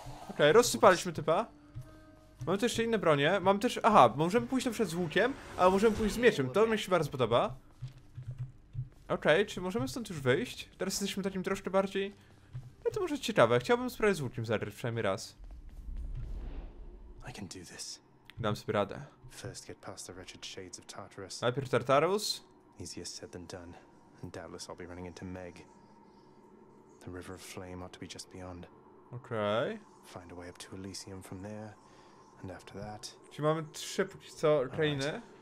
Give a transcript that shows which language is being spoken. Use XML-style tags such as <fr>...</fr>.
<pl>Okej, rozsypaliśmy typa. Mam też jeszcze inne bronie. Mam też... Aha, możemy pójść na przykład z łukiem, albo możemy pójść z mieczem. To mi się bardzo podoba. Okej, czy możemy stąd już wyjść? Teraz jesteśmy takim troszkę bardziej... No to może ciekawe. Chciałbym sprawdzić z łukiem zaryć przynajmniej raz. Dam sobie radę.</pl> <en>First get past the wretched shades of Tartarus.</en> <pl>Najpierw Tartarus.</pl> <en>Easier said than done, and doubtless I'll be running into Meg. The river of flame ought to be just beyond. Okay. Find a way up to Elysium from there, and after that.</en> <pl>Czy mamy trzy póki co krainy?</pl>